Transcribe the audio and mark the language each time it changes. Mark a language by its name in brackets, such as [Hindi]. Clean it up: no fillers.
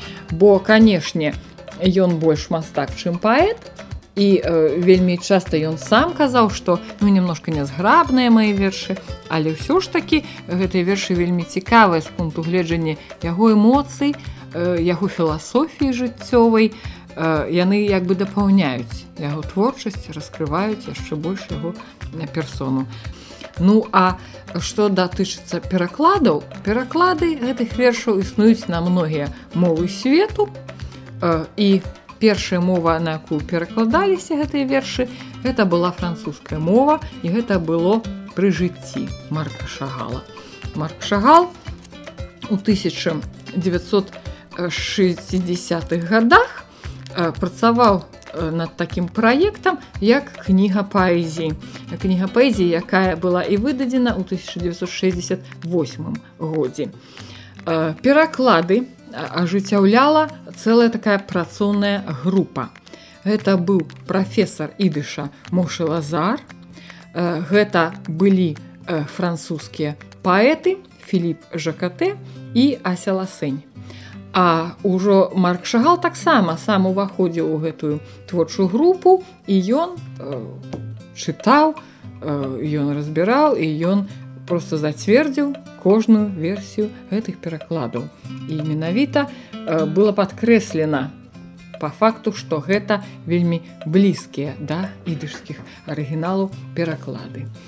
[Russian] Бо, конечно, он больше мастак, чем поэт. И вельми часто он сам казал, что ну, немножко незграбные мои верши. Але все ж таки, эти верши вельми цікавые с пункту гледжения его эмоций, его философии життёвой. [Ukrainian] Яны як бы дополняють його творчість, розкривають ще більше його персону. Ну, а що дотичиться перекладів? Переклади цих віршів існують на многі мови світу. І перша мова, на яку перекладалися ці вірші, це була французька мова, і це було при житті Марка Шагала. Марк Шагал у 1960-х годах працював над таким проєктом, як книга поезії. Книга поезії, яка була і видадена у 1968 році. Переклади ажитявляла ціла така працівна група. Це був професор ідиша Моше Лазар, це були французькі поети Філіп Жакате і Ася Ласень. [Russian] А уже Марк Шагал так само сам уваходил в эту творчую группу, и он читал, и он разбирал, и он просто затвердил каждую версию этих перекладов. И менавито было подкреслено по факту, что это вельми близкие до идышских оригиналов переклады.